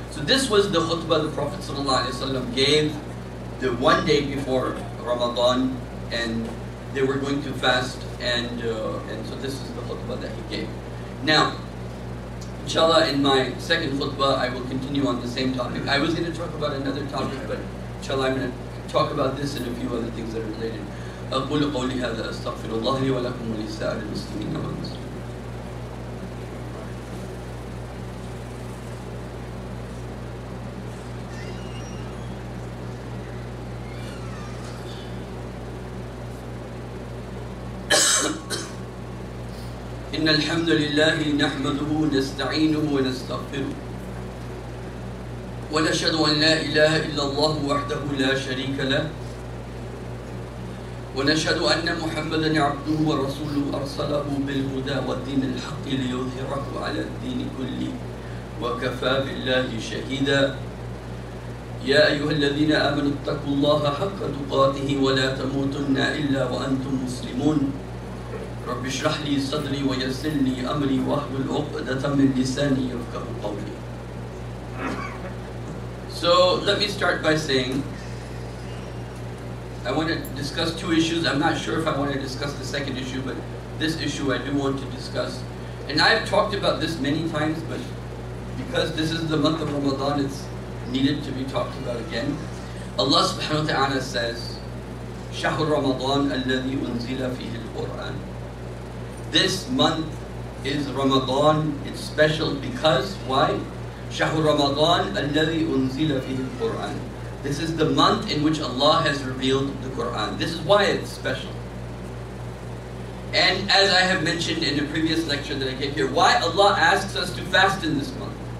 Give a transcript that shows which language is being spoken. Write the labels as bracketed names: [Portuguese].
[English] So this was the khutbah the Prophet ﷺ gave the one day before Ramadan, and they were going to fast, and so this is the khutbah that he gave. Now, inshallah, in my second khutbah, I will continue on the same topic. I was going to talk about another topic, but inshallah, I'm going to talk about this and a few other things that are related. [Arabic] أقول قولي هذا أستغفر الله لي ولكم ولسائر المسلمين والمسلمات. إن الحمد لله نحمده نستعينه ونستغفره ونشهد أن لا إله إلا الله وحده لا شريك له ونشهد أن محمدًا عبده ورسوله أرسله بالهدى والدين الحق ليظهره على الدين كله وكفى بالله شهيدا يا أيها الذين آمنوا اتقوا الله حق تقاته ولا تموتن إلا وأنتم مسلمون رب اشرح لي صدري ويسر لي أمري واحلل عقدة من لساني يفقه قولي. [English] So let me start by saying I want to discuss two issues. I'm not sure if I want to discuss the second issue, but this issue I do want to discuss. And I've talked about this many times, but because this is the month of Ramadan, it's needed to be talked about again. [Arabic] Allah subhanahu wa ta'ala says, شَهْرُ رَمَضَانَ الَّذِي أُنزِلَ فِيهِ الْقُرْآنِ. [English] This month is Ramadan. It's special because, why? [Arabic] شَهْرُ رَمَضَانَ الَّذِي أُنزِلَ فِيهِ الْقُرْآنِ. [English] This is the month in which Allah has revealed the Qur'an. This is why it's special. And as I have mentioned in a previous lecture that I gave here, why Allah asks us to fast in this month.